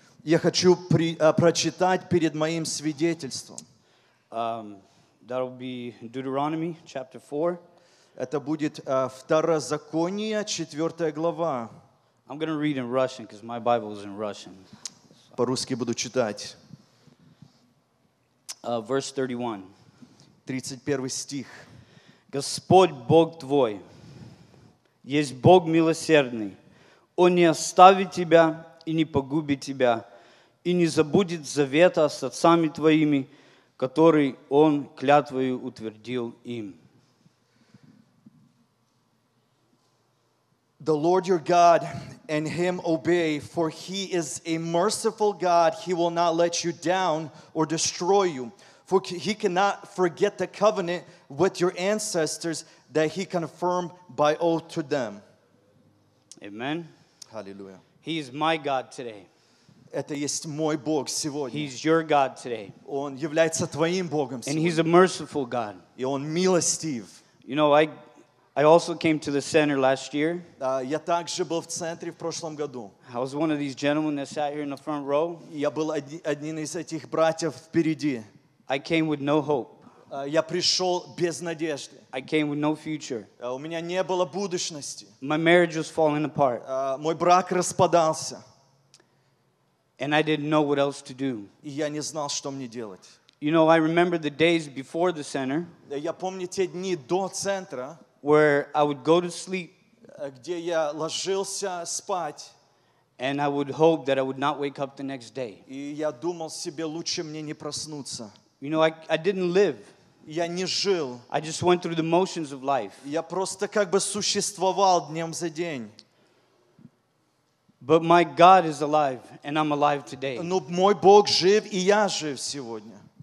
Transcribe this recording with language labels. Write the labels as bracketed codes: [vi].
[ru] Я хочу прочитать перед моим свидетельством. [en] That will be Deuteronomy chapter 4. [ru] Это будет Второзаконие, 4 глава. [en] I'm going to read in Russian because my Bible is in Russian. [ru] So. По-русски буду читать. [en] Verse 31. [ru] 31 стих. Господь Бог твой, есть Бог милосердный. Он не оставит тебя и не погубит тебя, и не забудет завета с отцами твоими, который Он клятвою утвердил им. [en] The Lord your God, and Him obey, for He is a merciful God. He will not let you down or destroy you. For He cannot forget the covenant with your ancestors that He confirmed by oath to them. Amen. Hallelujah. He is my God today. [ru] Это есть мой Бог сегодня. [en] He's your God today. [ru] Он является твоим Богом сегодня. [en] And He's a merciful God. [ru] И Он милостив. [en] You know, I also came to the center last year. [ru] Я также был в центре в прошлом году. [en] I was one of these gentlemen that sat here in the front row. [ru] Я был одним из этих братьев впереди. [en] I came with no hope. [ru] Я пришел без надежды. [en] I came with no future. [ru] У меня не было будущности. [en] My marriage was falling apart. [ru] Мой брак распадался. [en] And I didn't know what else to do. [ru] И я не знал, что мне делать. [en] You know, I remember the days before the center. [ru] Я помню те дни до центра. [en] Where I would go to sleep. [ru] Где я ложился спать. [en] And I would hope that I would not wake up the next day. [ru] И я думал себе, лучше мне не проснуться. [en] You know, I didn't live. [ru] Я не жил. [en] I just went through the motions of life. [ru] Я просто как бы существовал днем за день. [en] But my God is alive, and I'm alive today. [ru] Но мой Бог жив, и я жив сегодня.